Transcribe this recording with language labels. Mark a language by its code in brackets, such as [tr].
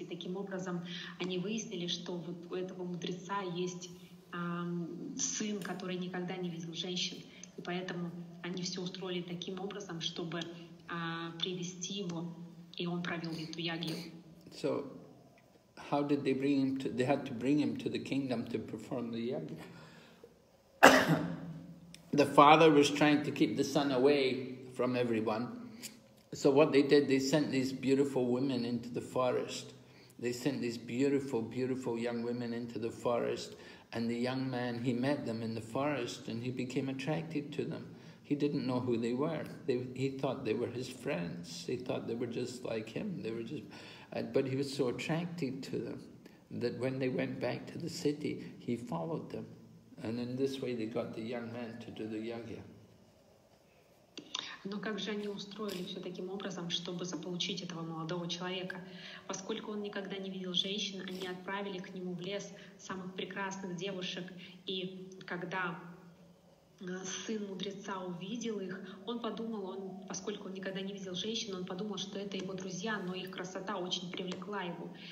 [ru] И таким образом они выяснили, что вот у этого мудреца есть сын, который никогда не видел женщин. И поэтому они все устроили таким образом, чтобы привести его, и он провел эту ягью. [en] So, how did they bring him to... They had to bring him to the kingdom to perform the yagya. The father was trying to keep the son away from everyone. So what they did, they sent these beautiful women into the forest. They sent these beautiful, beautiful young women into the forest. And the young man, he met them in the forest and he became attracted to them. He didn't know who they were. He thought they were his friends. He thought they were just like him. They were just, but he was so attracted to them that when they went back to the city, he followed them. And in this way, they got the young man to do the yagya. [ru] Но как же они устроили все таким образом, чтобы заполучить этого молодого человека? Поскольку он никогда не видел женщин, они отправили к нему в лес самых прекрасных девушек. И когда сын мудреца увидел их, поскольку он никогда не видел женщин, он подумал, что это его друзья, но их красота очень привлекла его.